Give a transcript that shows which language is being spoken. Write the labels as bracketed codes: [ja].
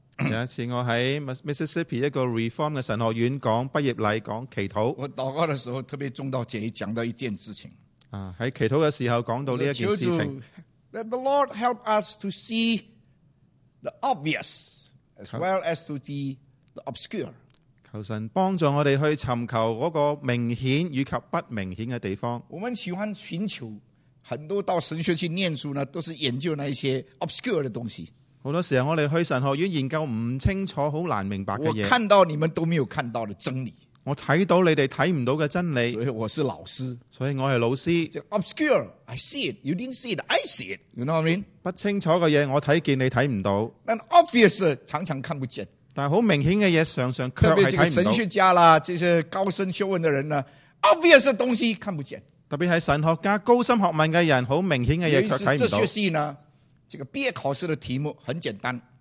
[zh] 有一次我在 Mississippi 一个 Reform 的神学院讲毕业礼，讲祈祷。我祷告的时候特别中到这里，讲到一件事情。在祈祷的时候讲到这件事情。求主 [en] ，Let the Lord help us to see the obvious as well as to see the obscure。 [zh] 求神帮助我们去寻求那个明显与及不明显的地方。我们喜欢寻求，很多到神学去念书呢，都是研究那些 obscure 的东西。很多时候我们去神学院研究不清楚、很难明白的东西。我看到你们都没有看到的真理。我看到你们看不到的真理。所以我是老师。所以我是老师。就 [en] obscure, I see it, you didn't see it, I see it. You know what I mean? [zh] 不清楚的东西我看见你看不到。但 obvious 常常看不见。但很明显的东西常常却是看不到，特别这个神学家啦，这些高深学问的人呢， obvious 的东西看不见，特别是神学家高深学问的人，很明显的东西却看不到。有一次哲学系呢，这个毕业考试的题目很简单，